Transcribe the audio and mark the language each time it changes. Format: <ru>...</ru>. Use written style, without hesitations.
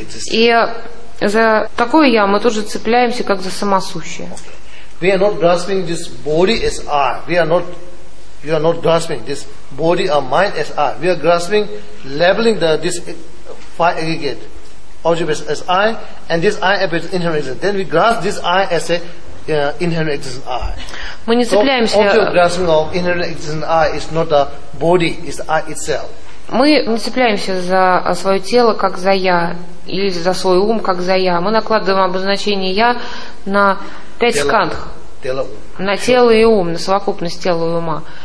<ru>И за такое «я» мы тоже цепляемся, как за самосущее.</ru> <en>We are not grasping this body as I. We are not, you are not grasping this body or mind as I. We are grasping, labeling the, this five aggregate objects as I, and this I appears inherent existence. Then we grasp this I as a inherent existence I.</en> <ru>Мы не цепляемся. Мы не цепляемся за свое тело как за «я» или за свой ум как за «я». Мы накладываем обозначение «я» на пять скандх, на тело и ум, на совокупность тела и ума.</ru>